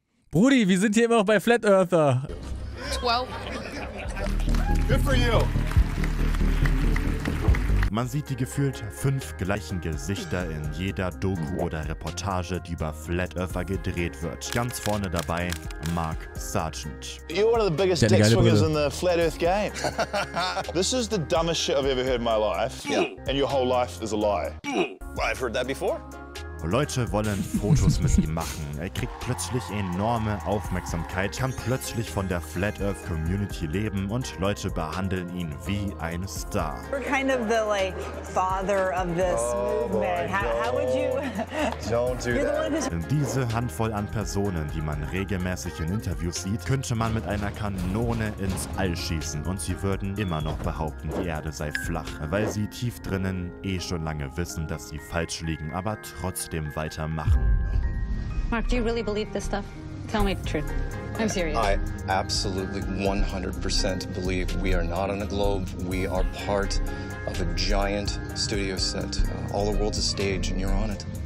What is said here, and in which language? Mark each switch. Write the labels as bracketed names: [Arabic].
[German] Brudi, wir sind hier immer noch bei Flat Earther. [English] 12. Good for you. [German] Man sieht die gefühlt 5 gleichen Gesichter in jeder Doku oder Reportage, die über Flat Earther gedreht wird. Ganz vorne dabei Mark Sargent. [English] You're one of the biggest dick swingers in the Flat Earth game. This is the dumbest shit I've ever heard in my life. Yeah. And your whole life is a lie. Well, I've heard that before. [German] Leute wollen Fotos mit ihm machen. Er kriegt plötzlich enorme Aufmerksamkeit, kann plötzlich von der Flat Earth Community leben und Leute behandeln ihn wie ein Star. [English] We're kind of the like father of this movement. How would you? Don't do that. [German] Diese Handvoll an Personen, die man regelmäßig in Interviews sieht, könnte man mit einer Kanone ins All schießen und sie würden immer noch behaupten, die Erde sei flach, weil sie tief drinnen eh schon lange wissen, dass sie falsch liegen, aber trotzdem weitermachen. [English] Mark, do you really believe this stuff? Tell me the truth. I'm serious. I absolutely 100% believe we are not on a globe. We are part of a giant studio set. All the world's a stage and you're on it.